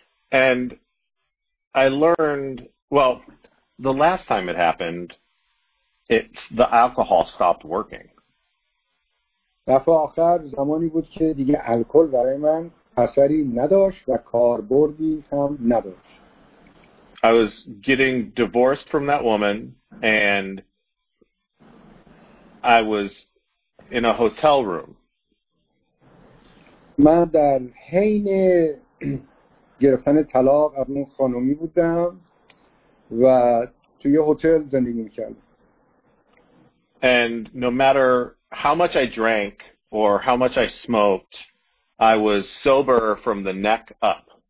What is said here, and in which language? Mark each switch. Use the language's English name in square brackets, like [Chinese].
[English] And I learned, well, the last time it happened, the alcohol stopped working. [Persian] دفعه آخر زمانی بود که دیگه الکل برای من اثری نداشت و کاربردی هم نداشت. [English] I was getting divorced from that woman and I was in a hotel room. [Persian] من در حین گرفتن طلاق از اون خانومی بودم و توی هتل زندگی میکردم. [English] And no matter how much I drank or how much I smoked, I was sober from the neck up.